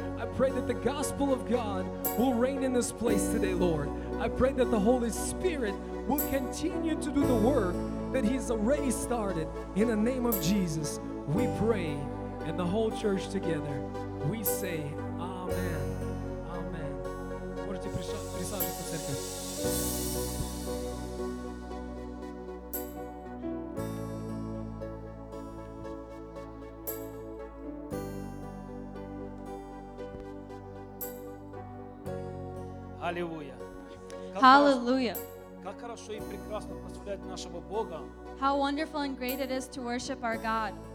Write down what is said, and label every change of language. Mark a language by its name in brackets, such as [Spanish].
[English] I pray that the gospel of God will reign in this place today, Lord. I pray that the Holy Spirit will continue to do the work that he's already started. In the name of Jesus, we pray. And the whole church together, we say, Amen, Amen. [Russian] Можете присаживаться, церковь. Аллилуйя. [English] Hallelujah. [Russian] Как хорошо и прекрасно прославлять нашего Бога. [English] How wonderful and great it is to worship our God.